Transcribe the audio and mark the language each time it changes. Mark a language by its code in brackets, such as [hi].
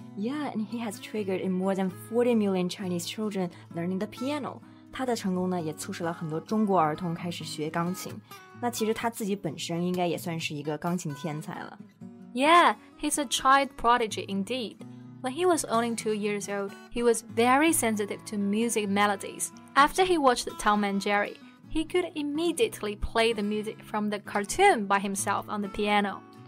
[en] Yeah, and he has triggered in more than 40 million Chinese children learning the piano. [zh] 他的成功呢，也促使了很多中国儿童开始学钢琴。那其实他自己本身应该也算是一个钢琴天才了。 [en] Yeah, he's a child prodigy indeed. When he was only 2 years old, he was very sensitive to music melodiesAfter he watched Tom and Jerry, he could immediately play the music from the cartoon by himself on the piano.